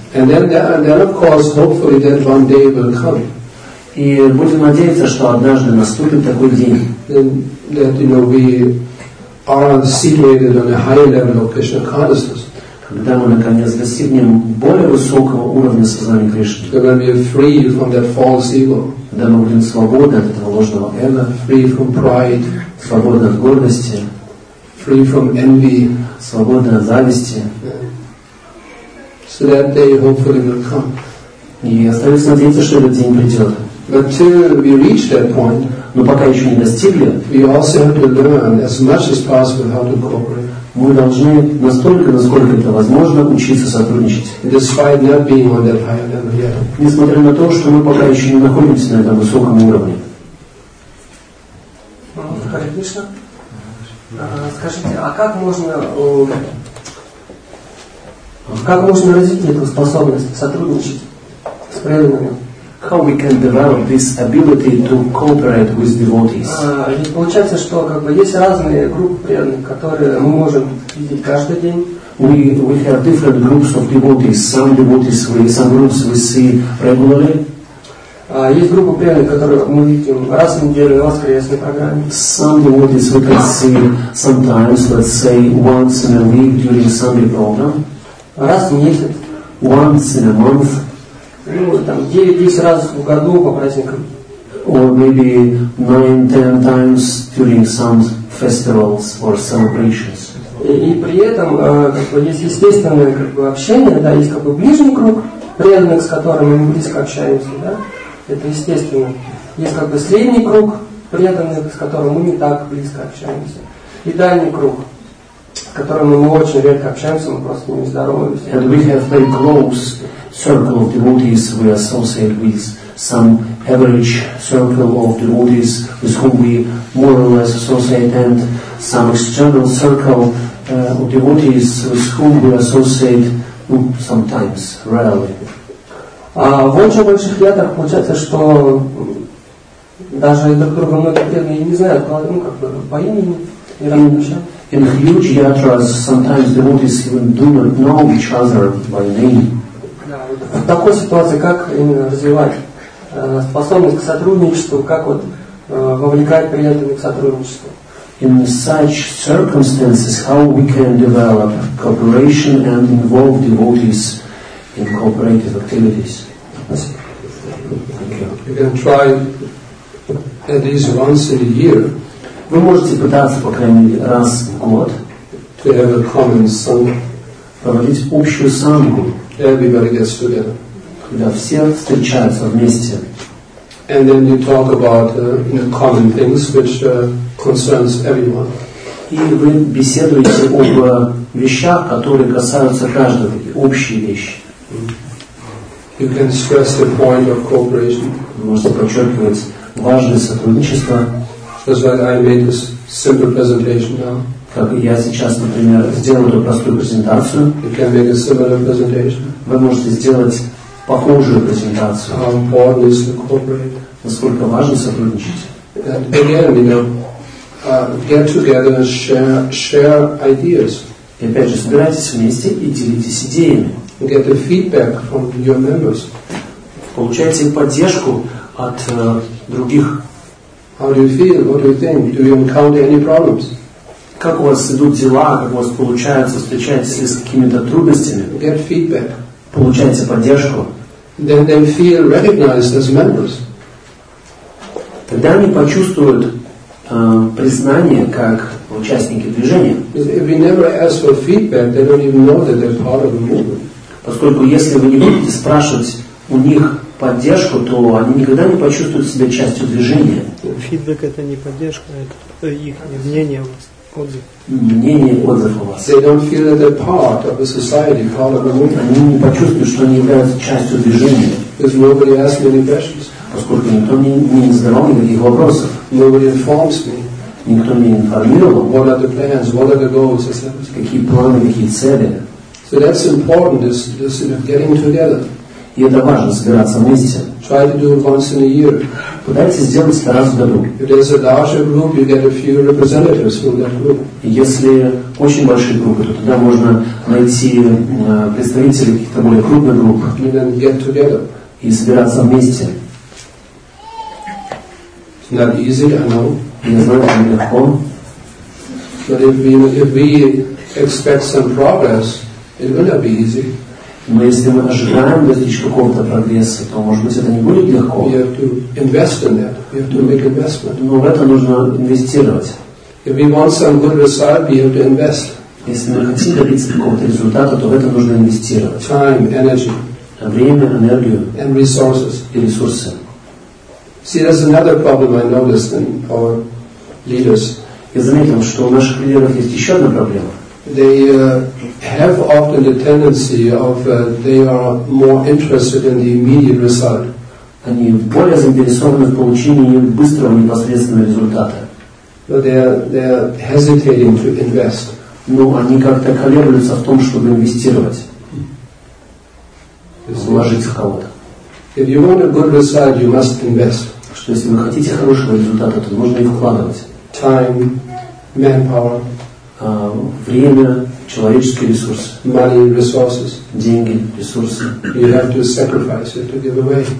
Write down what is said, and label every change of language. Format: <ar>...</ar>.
<en>And then of course, hopefully that one day will come.</en> <ru>И будем надеяться, что однажды наступит такой день.</ru> <en>Then, that, you know, we are situated on a higher level of Krishna consciousness.</en> <ru>Когда мы наконец достигнем более высокого уровня сознания Кришны. Когда мы</ru> <en>free from that false ego.</en> <ru>Когда мы будем свободны от этого ложного эго,</ru> <en>free from pride,</en> <ru>свободны от гордости,</ru> <en>free from envy,</en> <ru>свободны от зависти.</ru> <en>Yeah. So that day hopefully will come.</en> <ru>И остается надеяться, что этот день придет.</ru> <en>But till we reach that point,</en> <ru>но пока еще не достигли,</ru> <en>we also have to learn as much as possible how to cooperate.</en> <ru>Мы должны настолько, насколько это возможно, учиться сотрудничать.</ru> <en>Despite not being on that higher level yet.</en> <ru>Несмотря на то, что мы пока еще не находимся на этом высоком уровне. Харе Кришна, скажите, а как можно развить эту способность сотрудничать с преданными?</ru> <en>How we can develop this ability to cooperate with devotees?</en> <ru>Получается, что как бы есть разные группы преданных, которые мы можем видеть каждый день.</ru> <en>We have different groups of devotees. Some devotees some groups we see regularly.</en> <ru>Есть группа преданных, которых мы видим раз в неделю на воскресной программе.</ru> <en>Some devotees we can see sometimes, let's say once in a week during Sunday program.</en> <ru>Раз в месяц.</ru> <en>Once in a month.</en> <ru>Ну, там, 9-10 раз в году по праздникам.</ru> <en>Or maybe 9-10 times during some festivals or celebrations.</en> <ru>И при этом, как бы, есть естественное, как бы, общение, да, есть, как бы, ближний круг преданных, с которыми мы близко общаемся, да, это естественно. Есть, как бы, средний круг преданных, с которым мы не так близко общаемся. И дальний круг, с которым мы очень редко общаемся, мы просто не здороваемся.</ru> <en>And we have very close circle of devotees we associate with, some average circle of devotees with whom we more or less associate, and some external circle of devotees with whom we associate sometimes, rarely.</en> <ru>В очень больших ядрах получается, что даже друг друга многие преданные не знают, ну как бы по имени и раньше.</ru> <en>In huge yatras, sometimes devotees even do not know each other by name.</en> <ru>В такой ситуации, как именно развивать способность к сотрудничеству, как вот вовлекать преданных к сотрудничеству?</ru> <en>in such circumstances how we can develop cooperation and involve devotees in cooperative activities. You can try at least once in a year.</en> <ru>Вы можете пытаться по крайней мере раз в год</ru> <en>to have a common song.</en> <ru>Проводить общую сангу.</ru> <en>Everybody gets together.</en> <ru>Когда все встречаются вместе.</ru> <en>And then you talk about common things which concerns everyone.</en> <ru>И вы беседуете об вещах, которые касаются каждого, общие вещи.</ru> <en>You can stress the point of cooperation.</en> <ru>Вы можете подчеркивать важность сотрудничества.</ru> <en>Just like I made this simple presentation now.</en> <ru>Как я сейчас, например, сделал эту простую презентацию.</ru> <en>You can make a similar presentation.</en> <ru>Вы можете сделать похожую презентацию.</ru> <en>How important is to cooperate.</en> <ru>Насколько важно сотрудничать.</ru> <en>And again, get together and share ideas.</en> <ru>И опять же, собирайтесь вместе и делитесь идеями.</ru> <en>Get the feedback from your members.</en> <ru>Получайте поддержку от других.</ru> <en>How do you feel? What do you think? Do you encounter any problems?</en> <ru>Как у вас идут дела, как у вас получается, встречаетесь ли с какими-то трудностями?</ru> <en>Get feedback.</en> <ru>Получаете поддержку?</ru> <en>Then they feel recognized as members.</en> <ru>Тогда они почувствуют признание как участники движения.</ru> <en>If we never ask for feedback, they don't even know that they're part of the movement.</en> <ru>Поскольку если вы не будете спрашивать у них поддержку, то они никогда не почувствуют себя частью движения. Фидбэк — это не поддержка, это их мнение, отзыв. Мнение, отзыв у вас.</ru> <en>They don't feel that they're part of the society, part of the movement.</en> <ru>Они не почувствуют, что они являются частью движения.</ru> <en>Because nobody asks me any questions.</en> <ru>Поскольку никто не задавал никаких вопросов.</ru> <en>Nobody informs me.</en> <ru>Никто не информировал.</ru> <en>What are the plans? What are the goals? Et cetera.</en> <ru>Какие планы, какие цели?</ru> <en>So that's important, this getting together.</en> <ru>И это важно, собираться вместе.</ru> <en>Try to do it once in a year.</en> <ru>Пытайтесь сделать это раз в году.</ru> <en>If there's a larger group, you get a few representatives from that group.</en> <ru>Если очень большие группы, то тогда можно найти представителей каких-то более крупных групп.</ru> <en>And then get together.</en> <ru>И собираться вместе.</ru> <en>It's not easy, I know.</en> <ru>Я знаю, это нелегко.</ru> <en>But if we expect some progress, it will not be easy.</en> <ru>Но если мы ожидаем достичь какого-то прогресса, то, может быть, это не будет легко.</ru> <en>We have to invest in that. We have to make investment.</en> <ru>Но в это нужно инвестировать.</ru> <en>If we want some good result, we have to invest.</en> <ru>Если мы хотим добиться какого-то результата, то в это нужно инвестировать.</ru> <en>Time, energy.</en> <ru>Время, энергию.</ru> <en>And resources.</en> <ru>И ресурсы.</ru> <en>See, there's another problem I noticed in our leaders.</en> <ru>Я заметил, что у наших лидеров есть еще одна проблема.</ru> <en>They have often the tendency of they are more interested in the immediate result.</en> <ru>Они более заинтересованы в получении быстрого непосредственного результата.</ru> <en>But they are hesitating to invest.</en> <ru>Но они как-то колеблются в том, чтобы инвестировать, вложить в кого-то.</ru> <en>If you want a good result, you must invest.</en> <ru>Что если вы хотите хорошего результата, то нужно их вкладывать.</ru> <en>Time, manpower.</en> <ru>Время, человеческие ресурсы.</ru> <en>Money, resources.</en> <ru>Деньги, ресурсы.</ru> <en>You have to sacrifice, you have to give away.</en>